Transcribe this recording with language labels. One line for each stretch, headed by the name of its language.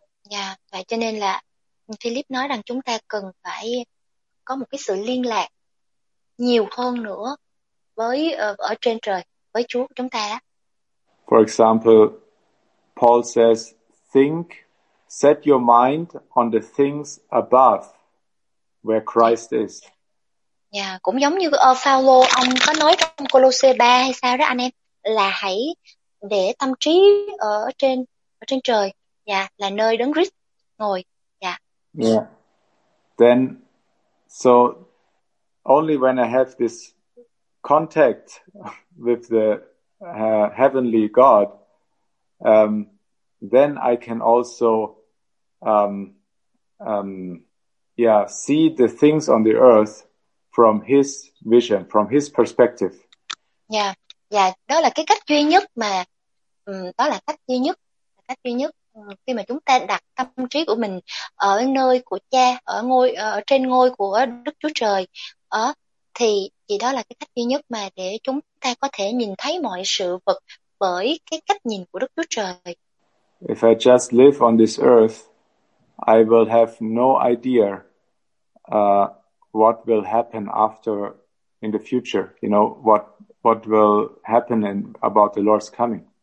Vietnamese: Yeah, vậy cho nên là Philip nói rằng chúng ta cần phải có một cái sự liên lạc nhiều hơn nữa với ở trên trời với Chúa chúng ta.
English: For example, Paul says, "Think, set your mind on the things above, where Christ is."
Vietnamese: Yeah, cũng giống như Phaolô ông có nói trong Colossae 3 hay sao đó anh em, là hãy để tâm trí ở trên trời, là nơi Đấng Christ ngồi. Yeah.
English: Then, so only when I have this contact with the heavenly God, then I can also, see the things on the earth from His vision, from His perspective.
Vietnamese: Đó là cái cách duy nhất mà, đó là cách duy nhất. Khi mà chúng ta đặt tâm trí của mình ở nơi của Cha, ở ngôi ở trên ngôi của Đức Chúa Trời, thì đó là cái cách duy nhất mà để chúng ta có thể nhìn thấy mọi sự vật bởi cái cách nhìn của Đức Chúa Trời.
English: If I just live on this earth, I will have no idea what will happen after in the future, you know, what will happen in, about the Lord's coming.